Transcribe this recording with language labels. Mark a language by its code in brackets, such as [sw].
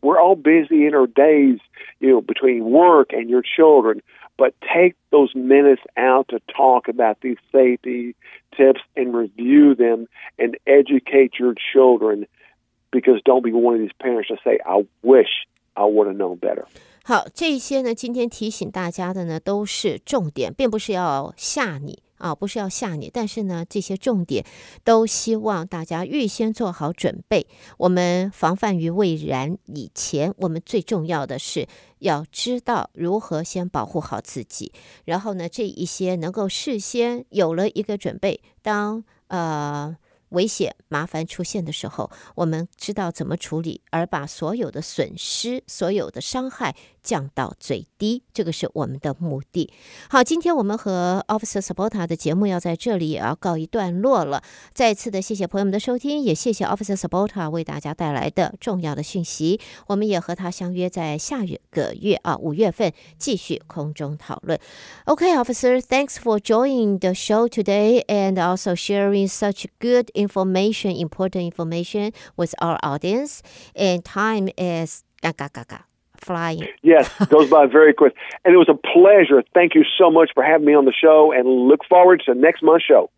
[en] We're all busy in our days, you know, between work and your children. But take those minutes out to talk about these safety tips and review them and educate your children, because don't be one of these parents to say, I wish I would have known better. [zh] 好，这些呢，今天提醒大家的呢，都是重点，并不是要吓你啊，不是要吓你，但是呢，这些重点都希望大家预先做好准备。我们防范于未然以前，我们最重要的是要知道如何先保护好自己。然后呢，这一些能够事先有了一个准备，当危险麻烦出现的时候，我们知道怎么处理，而把所有的损失所有的伤害降到最低，这个是我们的目的。好，今天我们和 Officer Sabota 的节目要在这里也要告一段落了，再次的谢谢朋友们的收听，也谢谢 Officer Sabota 为大家带来的重要的讯息。我们也和他相约在下个月啊，五月份继续空中讨论。 [en] OK, Officer, thanks for joining the show today and also sharing such goodinformation, important information with our audience, and time is flying. Yes, goes by very quick. And it was a pleasure. Thank you so much for having me on the show, and look forward to next month's show.